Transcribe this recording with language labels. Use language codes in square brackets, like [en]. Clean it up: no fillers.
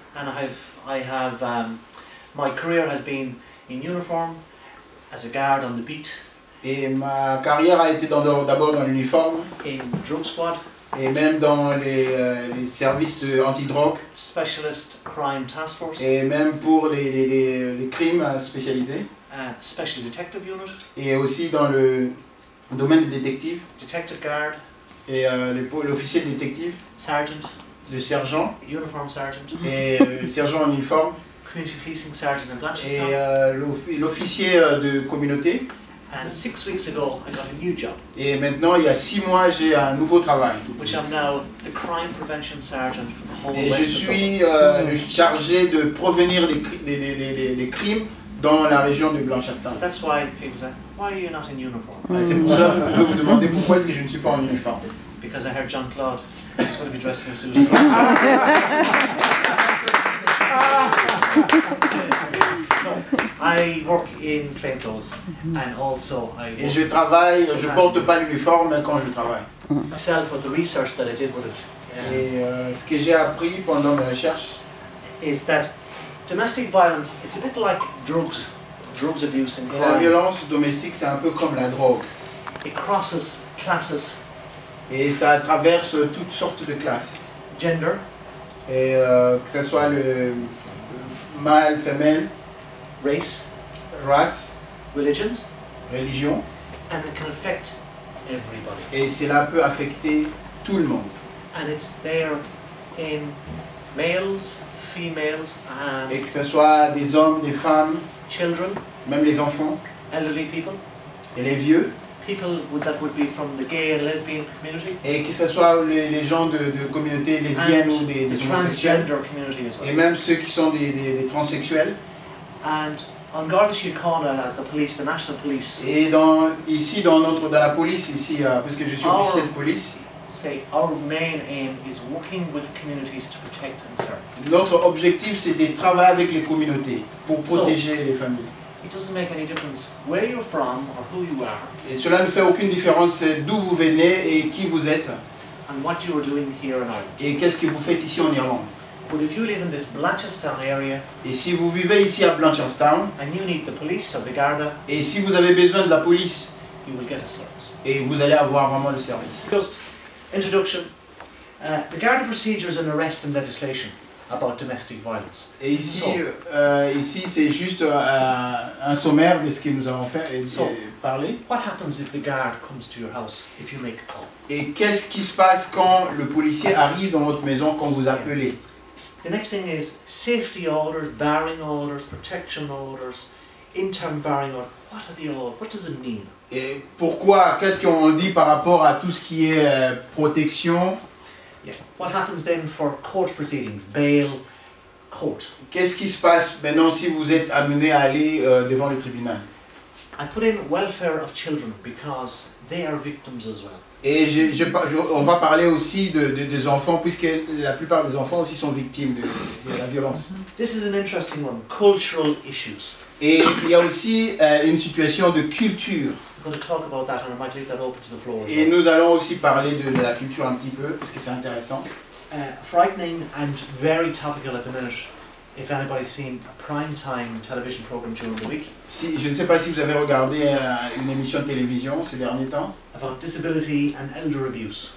[en] And I have my career has been in uniform as a guard on the beat. [fr] Et ma carrière a été d'abord dans l'uniforme. [en] In drug squad. [fr] Et même dans les services de anti-drogue. [en] Specialist crime task force. [fr] Et même pour les crimes spécialisés. [en] Special detective unit. [fr] Et aussi dans le domaine des détectives. [en] Detective guard. [fr] Et l'officier détective. [en] Sergeant. [fr] Le sergent. [en] Uniform sergeant. [fr] Et sergent en uniforme. [en] Community policing sergeant in Blanchester. [fr] Et l'officier de communauté. [en] And 6 weeks ago, I got a new job. [fr] Et maintenant, il y a 6 mois, j'ai un nouveau travail. [en] Which I'm now the crime prevention sergeant for the whole [fr] et [en] west [fr] je suis chargé de prévenir les crimes dans la région de Blanchardin. [en] So that's why people say, why are you not in uniform? C'est pour ça que vous me demandez pourquoi est-ce que je ne suis pas en uniforme. Because I heard Jean-Claude is going to be dressed in a suit as well. I work in plain clothes, and also I. [fr] Et je travaille. Je porte pas l'uniforme quand je travaille. [en] Myself with the research that I did with it. [fr] Et ce que j'ai appris pendant mes recherches. [en] Is that domestic violence? It's a bit like drugs, drugs abuse and crime. [fr] La violence domestique, c'est un peu comme la drogue. [en] It crosses classes. [fr] Et ça traverse toutes sortes de classes. [en] Gender. [fr] Et que ce soit le mâle, femelle. [en] Race, [fr] race, [en] religions, [fr] religion, [en] and it can affect everybody. [fr] Et cela peut affecter tout le monde. [en] And it's there in males, females, and [fr] et que ce soit des hommes, des femmes, [en] children, [fr] même les enfants, [en] elderly people, [fr] et les vieux, [en] people that would be from the gay and lesbian community, [fr] et que ce soit les gens de communauté lesbienne ou des [en] transgender community as well, [fr] et même ceux qui sont des transsexuels. [en] And on Garda Síochána as the police, the national police. [fr] Et dans la police ici, puisque je suis officier de police. [en] Say our main aim is working with communities to protect and serve. [fr] Notre objectif c'est de travailler avec les communautés pour protéger so, les familles. [en] It doesn't make any difference where you're from or who you are. [fr] Et cela ne fait aucune différence d'où vous venez et qui vous êtes. [en] And what you are doing here in Ireland. [fr] Et qu'est-ce que vous faites ici en Irlande? [en] But if you live in this Blanchardstown area, [fr] et si vous vivez ici à Blanchardstown, [en] and you need the police or the Garda, [fr] et si vous avez besoin de la police, [en] you will get a service. [fr] Et vous allez avoir vraiment le service. [en] Just introduction. The Garda procedures and arrest and legislation. about domestic violence. [fr] Et ici, so, ici c'est juste un sommaire de ce que nous avons fait et so, parlé. [en] What happens if the guard comes to your house if you make a call? [fr] Et qu'est-ce qui se passe quand le policier arrive dans votre maison quand vous appelez? [en] The next thing is safety orders, barring orders, protection orders, interim barring orders. What are the orders? What does it mean? [fr] Et pourquoi? Qu'est-ce qu'on dit par rapport à tout ce qui est protection? Yeah. [en] What happens then for court proceedings, bail, court? [fr] Qu'est-ce qui se passe maintenant si vous êtes amené à aller devant le tribunal? [en] I put in welfare of children because they are victims as well. [fr] Et on va parler aussi des enfants puisque la plupart des enfants aussi sont victimes de la violence. [en] This is an interesting one, cultural issues. [fr] Et il y a aussi une situation de culture. [en] We're going to talk about that, and I might leave that open to the floor. [fr] Et nous allons aussi parler de la culture un petit peu, parce que c'est intéressant. [en] Frightening and very topical at the minute. If anybody's seen a prime time television program during the week. [fr] Si, je ne sais pas si vous avez regardé une émission de télévision ces derniers temps. [en] About disability and elder abuse.